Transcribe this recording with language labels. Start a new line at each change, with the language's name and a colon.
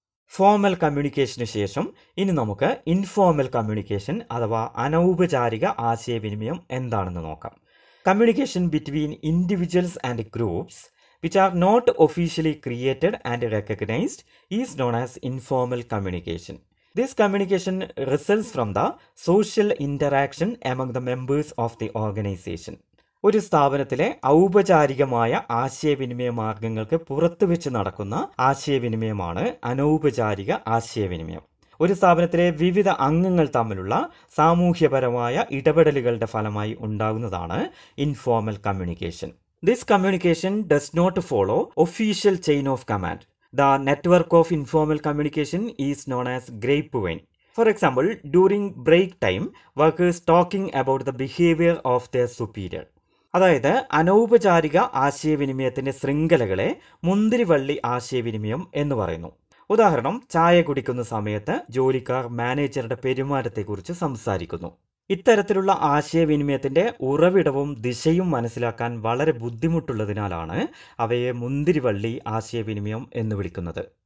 Malayalam: Formal കമ്മ്യൂണിക്കേഷന് ശേഷം ഇനി നമുക്ക് ഇൻഫോർമൽ കമ്മ്യൂണിക്കേഷൻ അഥവാ അനൗപചാരിക ആശയവിനിമയം എന്താണെന്ന് നോക്കാം.
English: Communication between individuals and groups which are not officially created and recognised is known as informal communication. This communication results from the social interaction among the members of the organization.
Malayalam: ഒരു സ്ഥാപനത്തിലെ ഔപചാരികമായ ആശയവിനിമയ മാർഗങ്ങൾക്ക് പുറത്തു വെച്ച് നടക്കുന്ന ആശയവിനിമയമാണ് അനൗപചാരിക ആശയവിനിമയം. ഒരു സ്ഥാപനത്തിലെ വിവിധ അംഗങ്ങൾ തമ്മിലുള്ള സാമൂഹ്യപരമായ ഇടപെടലുകളുടെ ഫലമായി ഉണ്ടാകുന്നതാണ് informal communication.
English: This communication does not follow official chain of command. The network of informal communication is known as grapevine. For example, during break time, workers talking about the behavior of their superior.
Malayalam: അതായത് അനൗപചാരിക ആശയവിനിമയത്തിന്റെ ശൃംഖലകളെ മുന്തിരിവള്ളി ആശയവിനിമയം എന്ന് പറയുന്നു. ഉദാഹരണം, ചായ കുടിക്കുന്ന സമയത്ത് ജോലിക്കാർ മാനേജറുടെ പെരുമാറ്റത്തെക്കുറിച്ച് സംസാരിക്കുന്നു. ഇത്തരത്തിലുള്ള ആശയവിനിമയത്തിന്റെ ഉറവിടവും ദിശയും മനസ്സിലാക്കാൻ വളരെ ബുദ്ധിമുട്ടുള്ളതിനാലാണ് അവയെ മുന്തിരിവള്ളി ആശയവിനിമയം എന്ന് വിളിക്കുന്നത്.